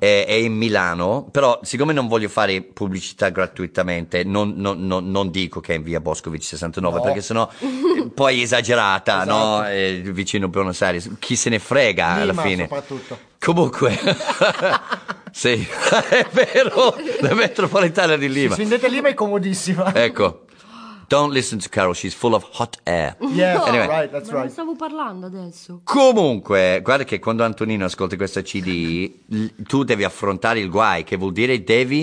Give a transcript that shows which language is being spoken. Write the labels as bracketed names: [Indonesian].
[Italian] È in Milano, però siccome non voglio fare pubblicità gratuitamente, non dico che è in via Boscovich 69, no. Perché sennò poi esagerata, esatto. No? Vicino a Buenos Aires, chi se ne frega Lima, alla fine? Soprattutto. Comunque, sì, è vero, la metropolitana di Lima. Se scendete Lima è comodissima. [English] Ecco, don't listen to Carol, she's full of hot air. Yeah, anyway. Right, that's right. [Italian] Ma non stavo parlando adesso. Comunque, guarda che quando Antonino ascolta questa CD, tu devi affrontare il guai, che vuol dire devi...